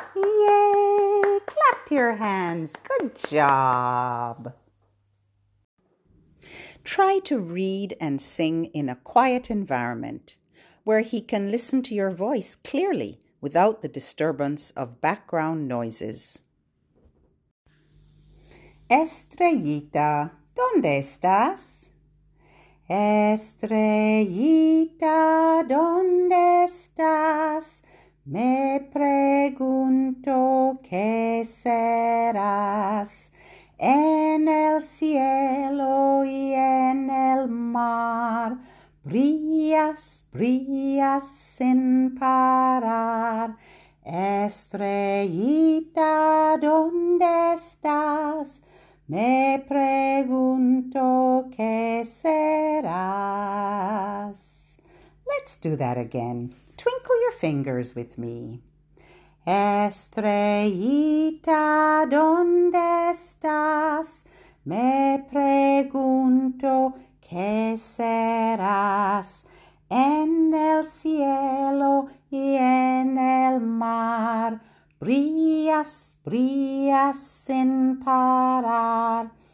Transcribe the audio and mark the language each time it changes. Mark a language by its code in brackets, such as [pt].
[en] Yay! Clap your hands. Good job. Try to read and sing in a quiet environment where he can listen to your voice clearly without the disturbance of background noises. [es] Estrellita, ¿dónde estás? Estrellita, ¿dónde estás? Me pregunto qué serás. En el cielo y en el mar, brillas, brillas sin parar. Estrellita, ¿dónde estás? Me pregunto qué serás. [en] Let's do that again. Twinkle your fingers with me. Estrellita, ¿dónde estás? Me pregunto qué serás. En el cielo y en el mar, brillas, brillas sin parar.